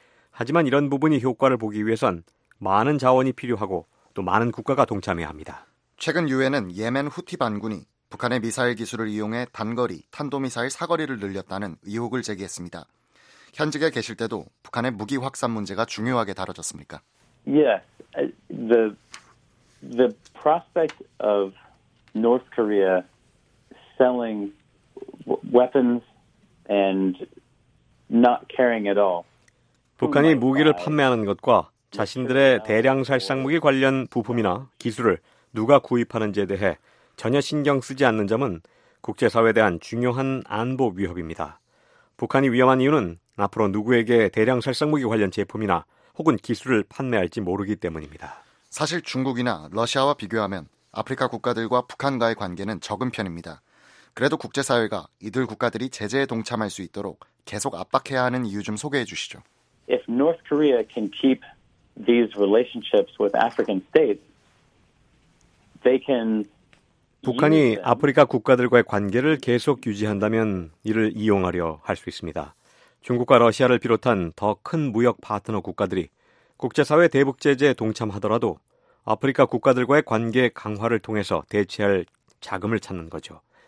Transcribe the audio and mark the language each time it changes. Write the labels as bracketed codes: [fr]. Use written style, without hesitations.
[ko] 하지만 이런 부분이 효과를 보기 위해선 많은 자원이 필요하고 또 많은 국가가 동참해야 합니다. 최근 유엔은 예멘 후티 반군이 북한의 미사일 기술을 이용해 단거리, 탄도미사일 사거리를 늘렸다는 의혹을 제기했습니다. 현직에 계실 때도 북한의 무기 확산 문제가 중요하게 다뤄졌습니까? [en] Yes. The prospect of North Korea selling weapons and not caring at all. [ko] 북한이 무기를 판매하는 것과 자신들의 대량 살상 무기 관련 부품이나 기술을 누가 구입하는지에 대해 전혀 신경 쓰지 않는 점은 국제사회에 대한 중요한 안보 위협입니다. 북한이 위험한 이유는 앞으로 누구에게 대량 살상무기 관련 제품이나 혹은 기술을 판매할지 모르기 때문입니다. 사실 중국이나 러시아와 비교하면 아프리카 국가들과 북한과의 관계는 적은 편입니다. 그래도 국제사회가 이들 국가들이 제재에 동참할 수 있도록 계속 압박해야 하는 이유 좀 소개해 주시죠. [en] If North Korea can keep these relationships with African states, they can [ko] 북한이 아프리카 국가들과의 관계를 계속 유지한다면 이를 이용하려 할 수 있습니다. 중국과 러시아를 비롯한 더 큰 무역 파트너 국가들이 국제사회 대북 제재에 동참하더라도 아프리카 국가들과의 관계 강화를 통해서 대체할 자금을 찾는 거죠.